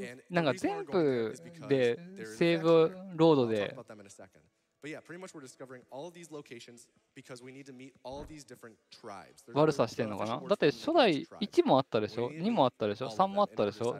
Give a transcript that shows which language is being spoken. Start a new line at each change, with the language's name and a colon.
Japanese: なんか全部でセーブロードで。
English: But yeah, pretty much we're discovering all these locations because we need to meet all these different tribes.
Japanese: 悪さしてんのかな？だって初代1もあったでしょ？ 2 もあったでしょ？ 3 もあったでしょ？